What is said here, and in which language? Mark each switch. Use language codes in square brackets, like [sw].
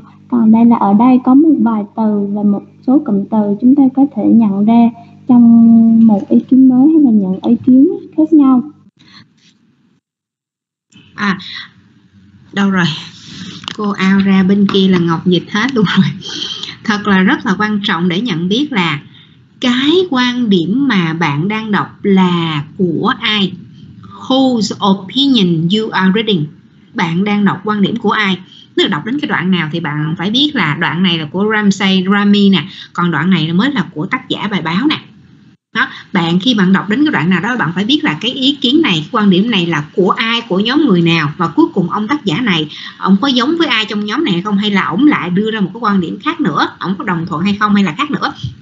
[vi] Còn đây là ở đây có một vài từ và một số cụm từ chúng ta có thể nhận ra trong một ý kiến mới hay là những ý kiến khác nhau. À, đâu rồi? Cô ao ra bên kia là Ngọc dịch hết luôn rồi. Thật là rất là quan trọng để nhận biết là cái quan điểm mà bạn đang đọc là của ai. [en] Whose opinion you are reading? [vi] Bạn đang đọc quan điểm của ai? Tức là đọc đến cái đoạn nào thì bạn phải biết là đoạn này là của Ramsey Rami nè, còn đoạn này mới là của tác giả bài báo nè. Đó, bạn khi bạn đọc đến cái đoạn nào đó, bạn phải biết là cái ý kiến này, quan điểm này là của ai, của nhóm người nào, và cuối cùng ông tác giả này, ông có giống với ai trong nhóm này hay không, hay là ông lại đưa ra một cái quan điểm khác nữa, ông có đồng thuận hay không, hay là khác nữa.